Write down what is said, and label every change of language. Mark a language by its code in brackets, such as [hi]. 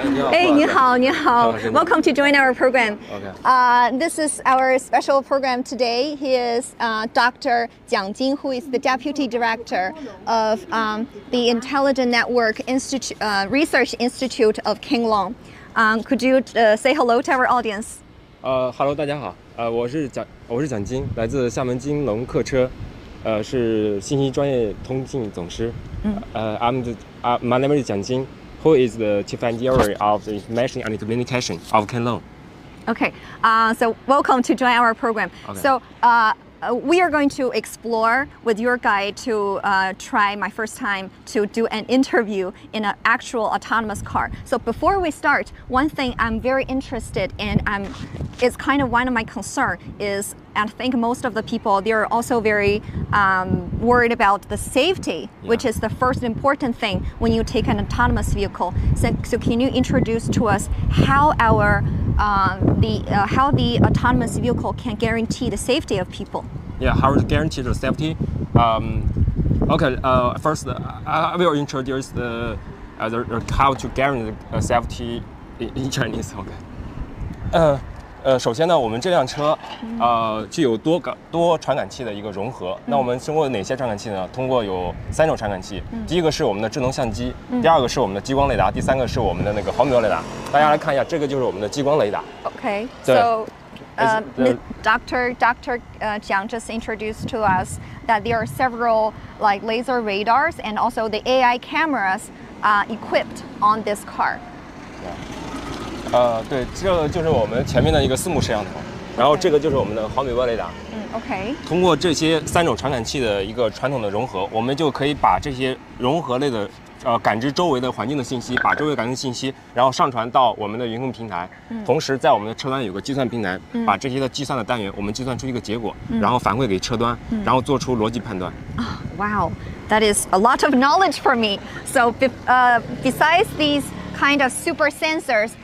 [en] Hey, [zh] 你好,你好. [en] Welcome to join our program. Okay. This is our special program today. He is Dr. Jiang Jing, who is the Deputy Director of the Intelligent Network Research Institute of King Long. Could you say hello to our audience? Hello, [zh] 大家好. 我是蒋金, 来自厦门金龙客车. 是信息专业通信总师. [en] My name is Jiang Jing, who is the chief engineer of the information and communication of Kenlong. Okay, so welcome to join our program. Okay. So We are going to explore with your guide to try my first time to do an interview in an actual autonomous car. So before we start, one thing I'm very interested in, it's kind of one of my concern is, and I think most of the people, they're also very worried about the safety, yeah. Which is the first important thing when you take an autonomous vehicle. So can you introduce to us how how the autonomous vehicle can guarantee the safety of people? Yeah, how to guarantee the safety? I will introduce the how to guarantee the safety in Chinese. Okay. [zh] 首先呢，我们这辆车，具有多传感器的一个融合。嗯、那我们通过哪些传感器呢？通过有三种传感器。嗯、第一个是我们的智能相机，嗯、第二个是我们的激光雷达，第三个是我们的那个毫米波雷达。大家来看一下，这个就是我们的激光雷达。 [en] Okay. Doctor Jiang just introduced to us that there are several like laser radars and also the AI cameras, equipped on this car. Yeah. [zh] 对，这就是我们前面的一个四目摄像头，然后这个就是我们的毫米波雷达。嗯 ，OK。通过这些三种传感器的一个传统的融合，我们就可以把这些融合类的，感知周围的环境的信息，把周围感知信息，然后上传到我们的云控平台。嗯。同时，在我们的车端有个计算平台，把这些的计算的单元，我们计算出一个结果，然后反馈给车端，然后做出逻辑判断。 [en] Wow, that is a lot of knowledge for me. So, besides these kind of super sensors.